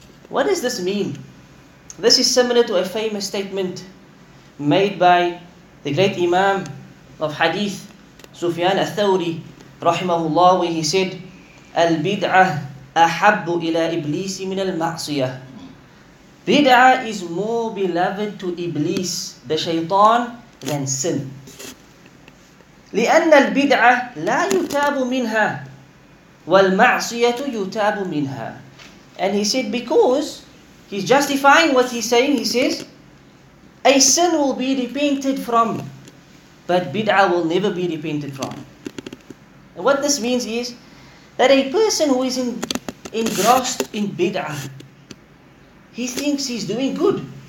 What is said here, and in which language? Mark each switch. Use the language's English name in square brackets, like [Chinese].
[English] What does this mean? This is similar to a famous statement made by the great Imam of Hadith, Sufyan al-Thawri, rahimahullah, where he said, [Arabic] "Al-bid'ah ahabbu ila iblis min al-ma'siyah." [English] Bid'ah is more beloved to Iblis, the Shaytan, than sin. [Arabic] لأن البدعه لا يتاب منها والمعصية يتاب منها. [English] And he said, because he's justifying what he's saying, he says, a sin will be repented from, but bid'ah will never be repented from. And what this means is that a person who is engrossed in bid'ah, he thinks he's doing good.